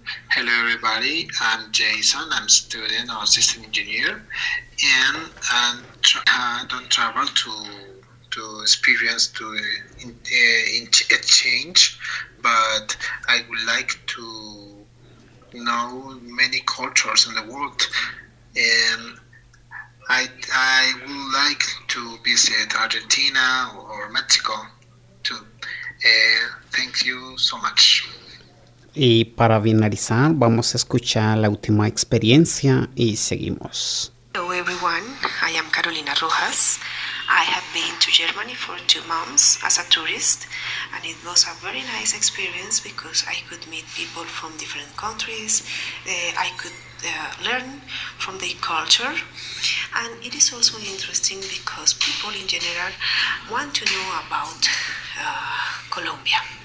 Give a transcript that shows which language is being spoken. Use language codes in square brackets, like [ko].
[en] Hello everybody, I'm Jason, I'm a student or assistant engineer, and don't travel to experience to exchange, but I would like to know many cultures in the world, and I would like to visit Argentina or Mexico too. Thank you so much. [es] Y para finalizar, vamos a escuchar la última experiencia y seguimos. [en] Hello everyone, I am Carolina Rojas. I have been to Germany for 2 months as a tourist, and it was a very nice experience because I could meet people from different countries. I could learn from their culture, and it is also interesting because people in general want to know about Colombia.